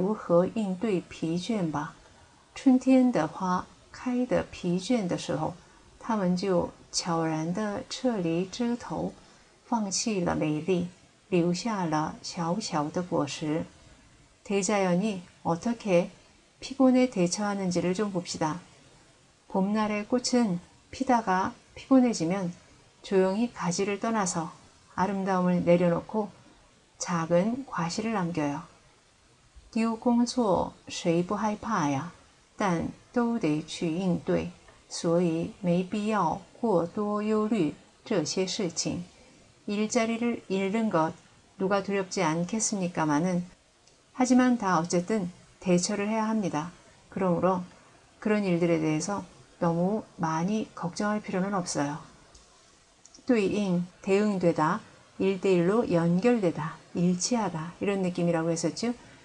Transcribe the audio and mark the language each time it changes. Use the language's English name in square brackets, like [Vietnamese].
[Chinese] 看看大自然如何应对疲倦吧。春天的花开得疲倦的时候，他们就悄然地撤离枝头，放弃了美丽，留下了小小的果实。 [Korean] 대자연이 어떻게 피곤에 대처하는지를 좀 봅시다. 봄날의 꽃은 피다가 피곤해지면 조용히 가지를 떠나서 아름다움을 내려놓고 작은 과실을 남겨요. [Chinese] 丢工作谁不害怕呀？但都得去应对，所以没必要过多忧虑这些事情。 [Korean] 일자리를 잃는 것 누가 두렵지 않겠습니까마는 하지만 다 어쨌든 대처를 해야 합니다. 그러므로 그런 일들에 대해서 너무 많이 걱정할 필요는 없어요. 뚜이잉 대응되다 1대1로 연결되다 일치하다 이런 느낌이라고 했었죠.